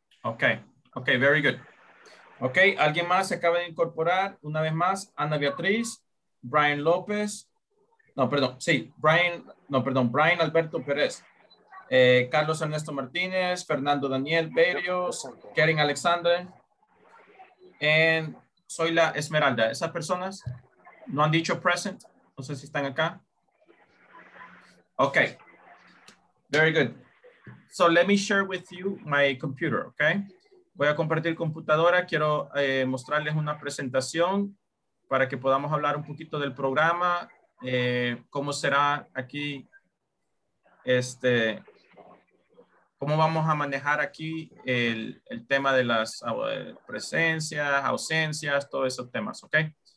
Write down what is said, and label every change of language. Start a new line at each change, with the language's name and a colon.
English: Ok, very good.
Spanish: Ok, alguien más se acaba de incorporar, una vez más, Ana Beatriz, Brian López, Brian Alberto Pérez, Carlos Ernesto Martínez, Fernando Daniel Berrios, Kering Alexander, and Zoila Esmeralda. ¿Esas personas no han dicho present? No sé si están acá.
English: Ok, very good. So let me share with you my computer, okay?
Spanish: Voy a compartir computadora. Quiero mostrarles una presentación para que podamos hablar un poquito del programa, cómo será aquí, cómo vamos a manejar aquí el tema de las presencias, ausencias, todos esos temas, okay?